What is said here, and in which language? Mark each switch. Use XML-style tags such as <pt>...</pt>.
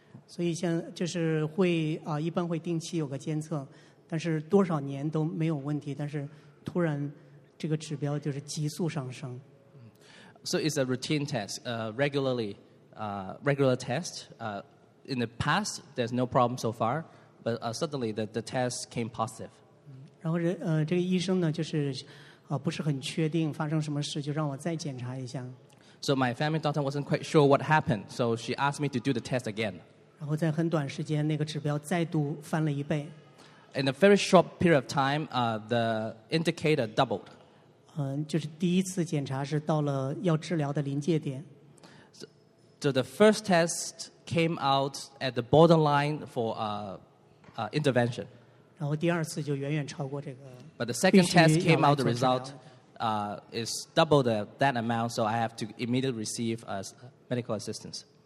<zh>所以现在就是会啊，一般会定期有个监测，但是多少年都没有问题，但是突然这个指标就是急速上升。</zh> <en>So it's a routine test, regularly, regular test. In the past, there's no problem so far, but suddenly the test came positive.</en> <zh>然后这个医生呢，就是不是很确定发生什么事，就让我再检查一下。</zh> <en>So my family doctor wasn't quite sure what happened, so she asked me to do the test again.</en> <zh>然后在很短时间，那个指标再度翻了一倍。</zh> <en>In a very short period of time, the indicator doubled.</en> <zh>就是第一次检查是到了要治疗的临界点。</zh> <en>So the first test came out at the borderline for intervention.</en> <zh>然后第二次就远远超过这个。</zh> <en>But the second test came out the result. It's double that amount, so I have to immediately receive medical assistance.</en>